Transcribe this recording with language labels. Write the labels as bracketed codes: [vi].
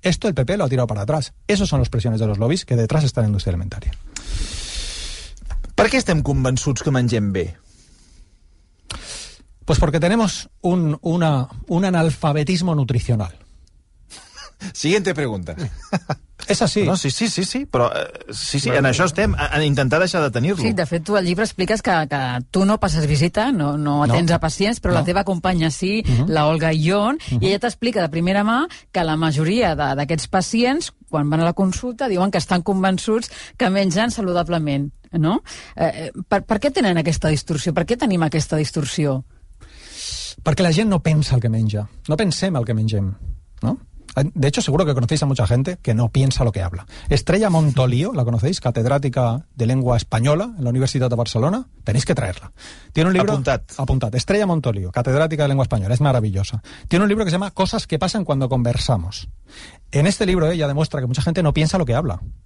[es] Esto el PP lo ha tirado para atrás. Esas son las presiones de los lobbies que detrás está la industria alimentaria. [ca] ¿Per qué estem convençuts que mengem bé? [es] Pues porque tenemos un analfabetismo nutricional. Siguiente pregunta. [ca] És així. No, sí, però sí, sí, en això estem, a intentar deixar de tenir-lo. Sí, de fet, tu al llibre expliques que tu no passes visita, no atens a pacients, però la teva companya sí, la Olga Ion, i ella t'explica de primera mà que la majoria d'aquests pacients, quan van a la consulta, diuen que estan convençuts que mengen saludablement, no? Per què tenen aquesta distorsió? Per què tenim aquesta distorsió? Perquè la gent no pensa el que menja, no pensem el que mengem, no? [es] De hecho, seguro que conocéis a mucha gente que no piensa lo que habla. Estrella Montolío, ¿la conocéis? Catedrática de lengua española en la Universitat de Barcelona. Tenéis que traerla. Tiene un libro... Apuntad. Estrella Montolío, catedrática de lengua española. Es maravillosa. Tiene un libro que se llama Cosas que pasan cuando conversamos. En este libro ella demuestra que mucha gente no piensa lo que habla.